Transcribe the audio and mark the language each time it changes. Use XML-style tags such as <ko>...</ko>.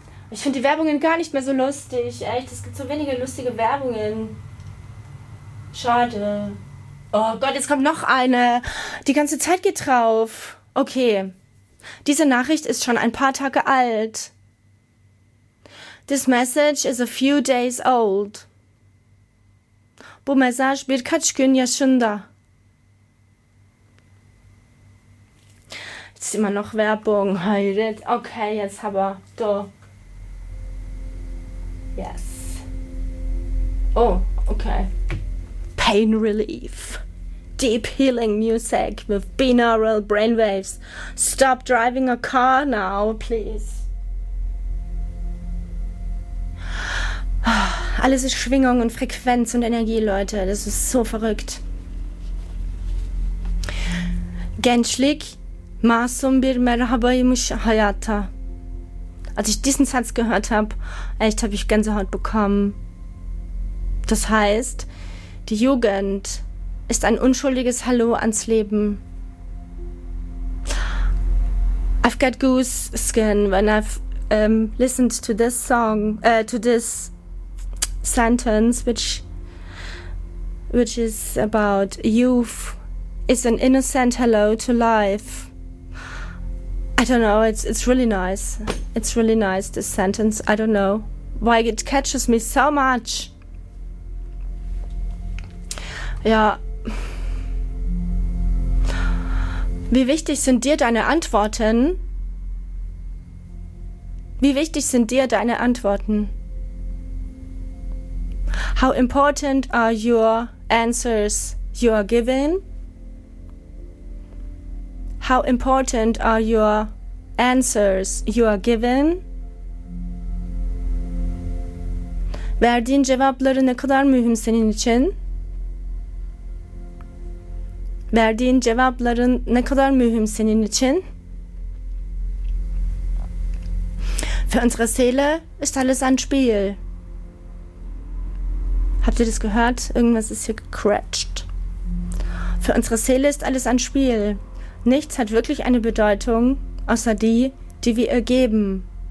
<de>Ich finde die Werbungen gar nicht mehr so lustig. Echt, es gibt so wenige lustige Werbungen. Schade. Oh Gott, jetzt kommt noch eine. Die ganze Zeit geht drauf. Okay. Diese Nachricht ist schon ein paar Tage alt.</de> <en>This message is a few days old.</en> <tr>bu mesaj birkaç gün yaşında.</tr> <de>Jetzt immer noch Werbung, heiratet. Okay, jetzt aber du.</de> <en>Yes. Oh, okay. Pain relief. Deep healing music with binaural brainwaves. Stop driving a car now, please.</en> <de>Alles ist Schwingung und Frequenz und Energie, Leute. Das ist so verrückt.</de> <tr>Gençlik masum bir merhabaymış hayata.</tr> <de>Als ich diesen Satz gehört habe, echt habe ich Gänsehaut bekommen. Das heißt, die Jugend ist ein unschuldiges Hallo ans Leben.</de> <en>I've got goose skin when I've listened to this song, to this sentence, which is about youth is an innocent hello to life. I don't know, it's really nice. It's really nice, this sentence. I don't know why it catches me so much.</en> <de>Ja. Wie wichtig sind dir deine Antworten? Wie wichtig sind dir deine Antworten?</de> <en>How important are your answers you are giving? How important are your answers you are given?</en> <tr>Verdiğin cevapları ne kadar mühim senin için? Verdiğin cevapların ne kadar mühim senin için?</tr> <de>Für unsere Seele ist alles ein Spiel. Habt ihr das gehört? Irgendwas ist hier gecratcht. Für unsere Seele ist alles ein Spiel. Nichts hat wirklich eine Bedeutung, außer die, die wir ihr geben.</de>